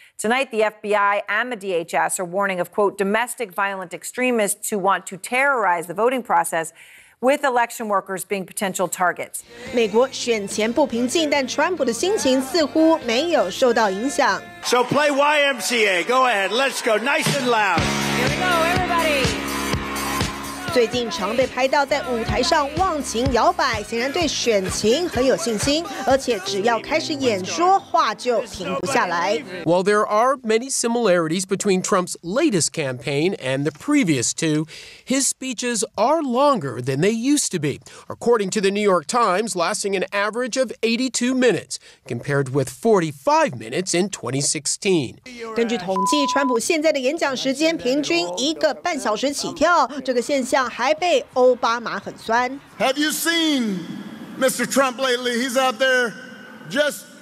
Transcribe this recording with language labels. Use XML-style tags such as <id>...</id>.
<en>Tonight, the FBI and the DHS are warning of, quote, domestic violent extremists who want to terrorize the voting process. With election workers being potential targets.</en> <zh>美国选前不平静，但川普的心情似乎没有受到影响。</zh> <en>So play YMCA. Go ahead. Let's go. Nice and loud. Here we go, everybody.</en> <zh>最近常被拍到在舞台上忘情摇摆，显然对选情很有信心，而且只要开始演说，话就停不下来。</zh> <en>While there are many similarities between Trump's latest campaign and the previous two, his speeches are longer than they used to be. According to the New York Times, lasting an average of 82 minutes, compared with 45 minutes in 2016.</en> <zh>根据统计，川普现在的演讲时间平均1.5小时起跳，这个现象。</zh> <en>Have you seen Mr. Trump lately? He's out there just</en>